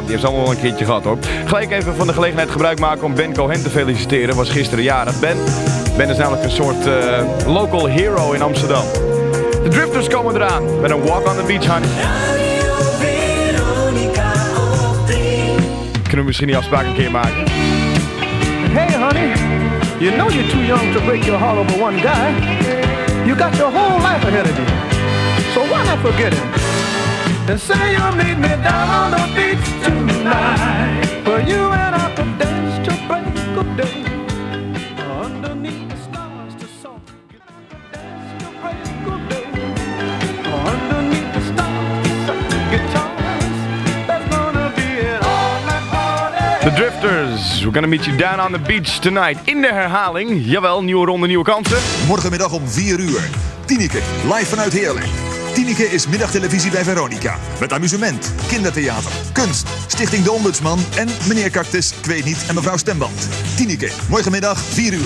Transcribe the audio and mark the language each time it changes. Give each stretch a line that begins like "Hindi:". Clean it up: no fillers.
Dutch: Die heeft ze allemaal wel een keertje gehad hoor. Gelijk even van de gelegenheid gebruik maken om Ben Cohen te feliciteren. Was gisteren jarig. Ben is namelijk een soort local hero in Amsterdam. De Drifters komen eraan met een Walk on the Beach, honey. Kunnen we misschien die afspraak een keer maken?
English: Hey honey. You know you're too young to break your heart over one guy. You got your whole life ahead of you. So why not forget him? And say you'll meet me down on the beach tonight. For you and I could dance to break a day. Underneath the stars to soak. You and I could dance to break a day. The Drifters, we're gonna meet you down on the beach tonight.
Dutch: In de herhaling, jawel, nieuwe ronde, nieuwe kansen. Morgenmiddag om 4 uur, Tineke, live vanuit Heerlen. Tineke is middagtelevisie bij Veronica. Met amusement, kindertheater, kunst, Stichting de Ombudsman en meneer Cactus, ik weet niet, en mevrouw Stemband. Tineke, morgenmiddag 4 uur.